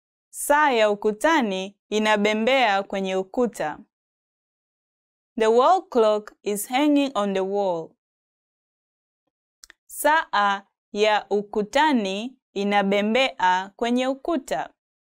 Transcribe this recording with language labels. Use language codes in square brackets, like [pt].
[sw] Saa ya ukutani inabembea kwenye ukuta. [en] The wall clock is hanging on the wall. [sw] Saa ya ukutani inabembea kwenye ukuta.